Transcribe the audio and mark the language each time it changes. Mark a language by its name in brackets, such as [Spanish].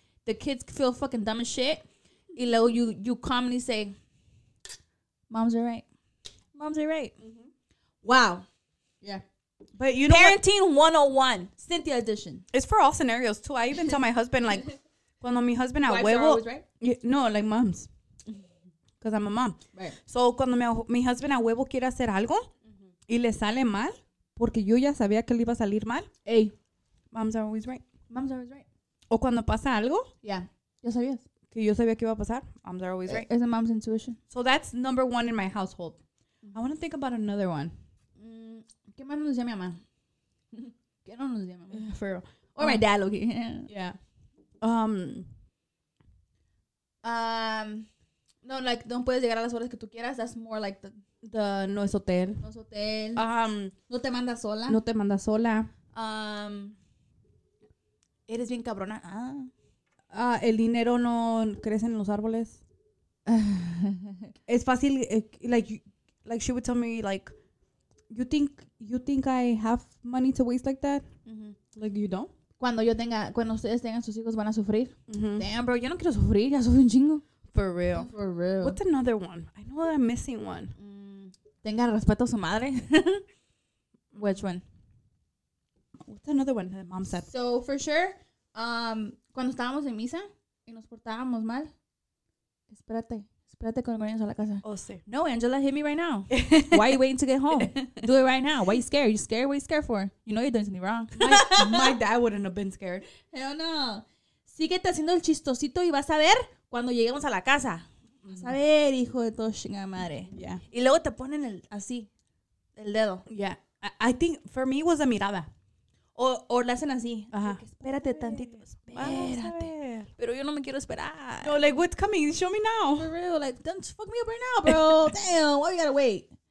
[English] The kids feel fucking dumb as shit. [Spanish] Y luego [English] you calmly say, moms are right. Moms are right. Mm-hmm. Wow. Yeah. But you know, parenting 101, Cynthia edition. It's for all scenarios too. I even tell my husband, like, [Spanish] cuando mi husband a huevo, [English] right? Yeah, no, like moms, because I'm a mom. Right. [Spanish] So cuando mi husband a huevo quiere hacer algo, mm-hmm. y le sale mal, porque yo ya sabía que le iba a salir mal. [English] Hey, moms are always right. Moms are always right. [Spanish] O cuando pasa algo, yeah, ya sabías que yo sabía que iba a pasar. [English] Moms are always right. It's a mom's intuition. So that's number one in my household. Mm-hmm. I want to think about another one. [Spanish] ¿Qué más nos decía mi mamá? ¿Qué no nos decía mi mamá? [English] For real. Or my dad, okay. Yeah. [Spanish] No, like, no puedes llegar a las horas que tú quieras. [English] That's more like the [Spanish] no es hotel. No es hotel. No te manda sola. No te manda sola. Eres bien cabrona. El dinero no crece en los árboles. Es fácil. [English] Like she would tell me, like, You think I have money to waste like that? Mm-hmm. Like, you don't? [Spanish] Cuando ustedes tengan sus hijos, van a sufrir. Mm-hmm. [English] Damn, bro, [Spanish] yo no quiero sufrir. Ya sufrí un chingo. [English] For real. Yeah, for real. What's another one? I know that I'm missing one. [Spanish] Tenga respeto a su madre. [English] Which one? What's another one that mom said? So, for sure, [Spanish] cuando estábamos en misa y nos portábamos mal, espérate. Espérate con el a la casa. Oh, sí. [English] No, Angela, hit me right now. Why are you waiting to get home? Do it right now. Why are you scared? You scared? What are you scared for? You know you're doing something wrong. My dad wouldn't have been scared. Hell no. [Spanish] Síguete haciendo el chistosito y vas a ver cuando lleguemos a la casa. Mm-hmm. Vas a ver, hijo de todo chingada madre. [English] Yeah. [Spanish] Y luego te ponen el dedo. [English] Yeah. I think for me it was a mirada. [Spanish] O le hacen así. Ajá. Uh-huh. Espérate tantito. Espérate. Pero yo no me quiero esperar. [English] No, like, what's coming? Show me now. For real. Like, don't fuck me up right now, bro. Damn. Why we gotta wait?